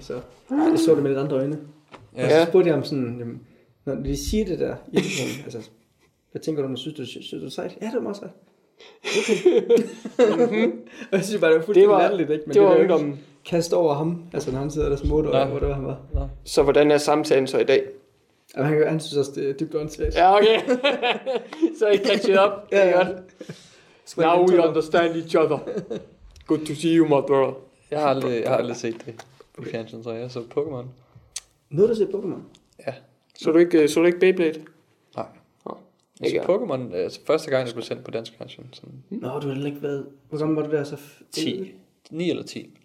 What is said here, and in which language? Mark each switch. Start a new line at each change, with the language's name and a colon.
Danish: Så jeg så det med lidt andre øjne. Og så spurgte jeg ham sådan, når de siger det der, altså, hvad tænker du, når du synes, du er sejt? Ja, det er meget sejt. Okay. Jeg synes bare, det var fuldstændig latterligt, ikke? Men det var jo ikke om kast over ham, altså når han sidder der som 8 år, eller hvor det var, han var. Nej. Så hvordan er samtalen så i dag? Jamen, han synes også, det er dybt åndssvagt. Ja, okay. Så I catchet up. Ja, ja. Godt.
English: Now we understand each other. Good to see you, my brother.
Danish: Jeg har aldrig set det på fjernsyn, så jeg så Pokémon. Nu har du set Pokémon? Ja. Så du ikke Beyblade? Så Pokémon, altså første gang, det blev sendt på dansk version. Sådan. Nå, du har heller ikke været... Hvor gammel var du der så? 10. 9 eller 10.